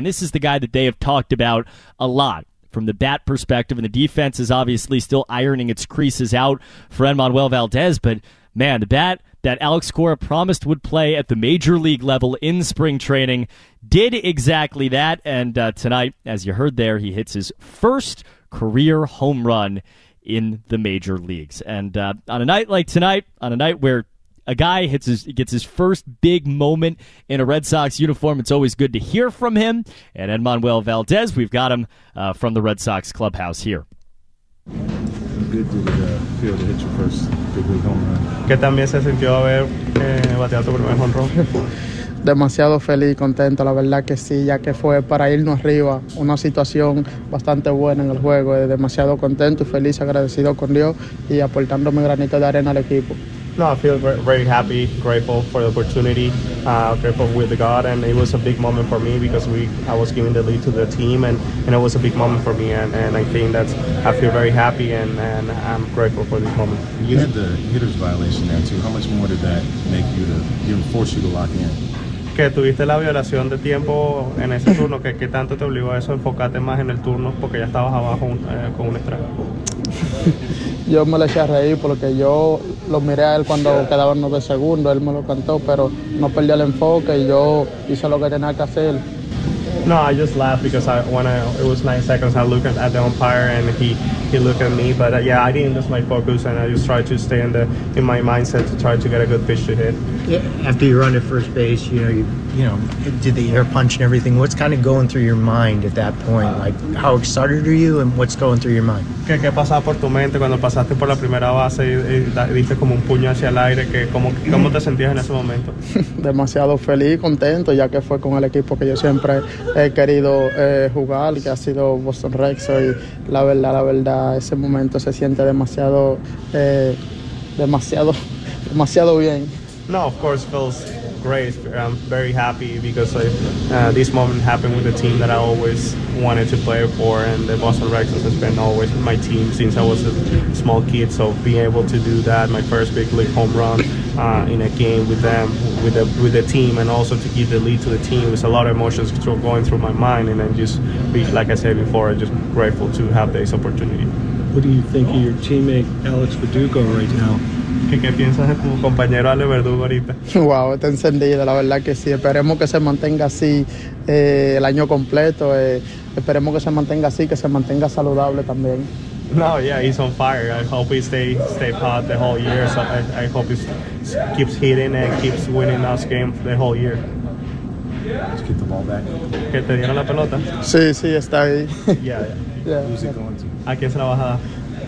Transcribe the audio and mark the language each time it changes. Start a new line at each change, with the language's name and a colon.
English: And this is the guy that they have talked about a lot from the bat perspective, and the defense is obviously still ironing its creases out for Enmanuel Valdez, but man, the bat that Alex Cora promised would play at the major league level in spring training did exactly that, and tonight, as you heard there, he hits his first career home run in the major leagues. And on a night like tonight, on a night where a guy gets his first big moment in a Red Sox uniform, it's always good to hear from him. And Enmanuel Valdez, we've got him from the Red Sox clubhouse here. good did it feel to hit your first big league home run?
Spanish: ¿Qué también se sintió haber bateado tu primer home run? Demasiado feliz, contento, la verdad que sí, ya que fue para irnos arriba, una situación bastante buena en el juego. Demasiado contento y feliz, agradecido con Dios y aportando mi granito de arena al equipo.
English: No, I feel very happy, grateful for the opportunity, grateful with God, and it was a big moment for me because I was giving the lead to the team, and it was a big moment for me, and I think that I feel very happy, and I'm grateful for this moment. You had the hitter's violation there too. How much more did that make you to force you to lock in?
Spanish: Que tuviste la violación de tiempo en ese turno, que qué tanto te obligó a eso, enfócate más en el turno porque ya estabas abajo con un strike. Yo me lo eché a reír porque yo lo miré a él cuando quedaban 9 segundos, él me lo cantó, pero no perdí el enfoque y yo hice lo que tenía que hacer.
English: No, I just laughed because it was 9 seconds, I looked at the umpire and he looked at me, but yeah, I didn't lose my focus and I just tried to stay in my mindset to try to get a good pitch to hit. Yeah, after you run at first base, you did the air punch and everything. What's kind of going through your mind at that point? Like, how excited are you and what's going through your mind?
Spanish: ¿Qué pasaba por tu mente cuando pasaste por la primera base y diste como un puño hacia el aire? ¿Cómo te sentías en ese momento? Demasiado feliz, contento, ya que fue con el equipo que yo siempre he querido jugar, que ha sido Boston Red Sox. Y la verdad, ese momento se siente demasiado bien.
English: No, of course, it feels great. I'm very happy because this moment happened with the team that I always wanted to play for, and the Boston Red Sox has been always my team since I was a small kid. So being able to do that, my first big league home run in a game with them, with the team, and also to give the lead to the team, it's a lot of emotions going through my mind, and then just be, like I said before, just grateful to have this opportunity. What do you think of your teammate Alex Verdugo right now?
Spanish: ¿Qué piensas de tu compañero Alex Verdugo ahorita? Wow, está encendido, la verdad que sí. Esperemos que se mantenga así el año completo. Esperemos que se mantenga así, que se mantenga saludable también.
English: No, yeah, he's on fire. I hope he stay hot the whole year. So I hope he keeps hitting and keeps winning us games the whole year. Let's get the ball back.
Spanish: ¿Que te dieron la pelota? Sí, está ahí.
English: Yeah. Who's it going to?
Spanish: ¿A quién se la vas a dar?